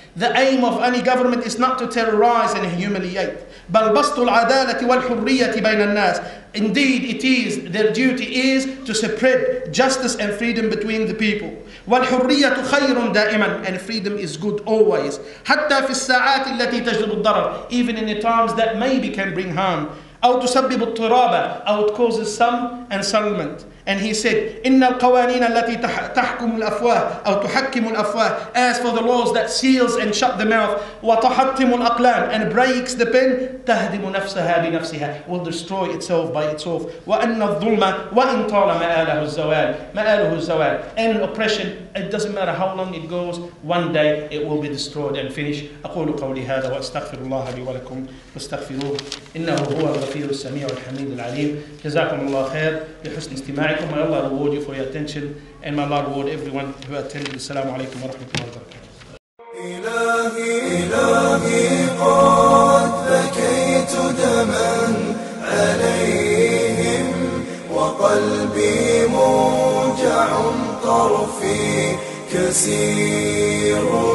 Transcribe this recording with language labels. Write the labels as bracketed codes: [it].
[en] The aim of any government is not to terrorize and humiliate. [ar] بَلْ بَسْطُ الْعَدَالَةِ وَالْحُرِّيَّةِ بَيْنَ النَّاسِ. [en] Indeed, it is, their duty is to spread justice and freedom between the people. [ar] وَالْحُرِّيَّةُ خَيْرٌ دَائِمًا. [en] And freedom is good always. [ar] حَتَّى فِي السَّاعَاتِ الَّتِي تَجْلِبُ الضَّرَرِ. [en] Even in the times that maybe can bring harm. [ar] أو تسبب اضطرابا. أو [en] it causes some unsettlement. And he said, [ar] إِنَّ الْقَوَانِينَ الَّتِي تَحْكُمُ الْأَفْوَاهِ أَوْ تُحَكِّمُ الْأَفْوَاهِ. [en] As for the laws that seals and shut the mouth, [ar] وَتَحَطِّمُ الْأَقْلَامِ [en] and breaks the pen, [ar] تَهْدِمُ نَفْسَهَا بِنَفْسِهَا, [en] will destroy itself by itself. [ar] وَأَنَّ الظُّلْمَ وَإِنْ طَالَ مَآلَهُ الزَّوَالِ. مَآلَهُ الزَّوَالِ. [en] And oppression, it doesn't matter how long it goes, one day it will be destroyed and finished. [ar] أقول قولي هذا وأستغفر الله لي ولكم واستغفروه إنه هو الغفير السميع الحميد العليم. جزاكم الله خير لحسن استماعكم. [en] May Allah reward you for your attention and may Allah reward everyone who attended. [ar] السلام عليكم ورحمة الله وبركاته. إلهي إلهي قد بكيت دما عليهم وقلبي موجع طرفي كسير